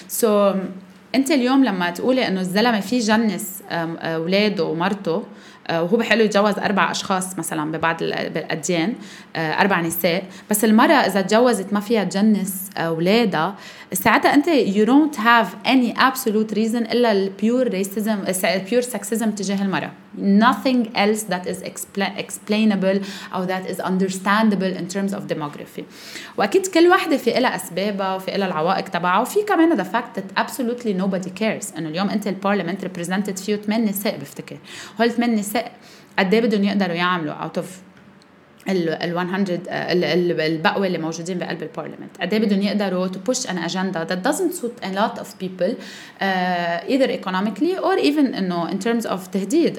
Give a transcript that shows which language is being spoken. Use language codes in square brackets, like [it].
[en] So, [ar] انت اليوم لما تقولي انه الزلمة في جنس اولاده ومرته وهو بحلو يتجوز اربع اشخاص مثلا ببعض الأديان, اربع نساء, بس المرة اذا تجوزت ما فيها جنس اولادها, ساعتها انت [en] you don't have any absolute reason [ar] الا [en] pure racism, pure sexism [ar] تجاه المرة. [en] Nothing else that is explainable or that is understandable in terms of demography. [ar] وأكيد كل واحدة في إلها أسبابها وفي إلها العوائق تبعها, وفي كمان [en] the fact that absolutely nobody cares. [ar] أنه اليوم أنت البارلمنت represented فيه 8 نساء بفتكر. هول 8 نساء قدي بدهم يقدروا يعملوا [en] out of [ar] البقوة اللي موجودين بقلب البارلمنت, قد ايه بدهم يقدروا [en] to push an agenda that doesn't suit a lot of people either economically or even you know, in terms of [ar] تهديد.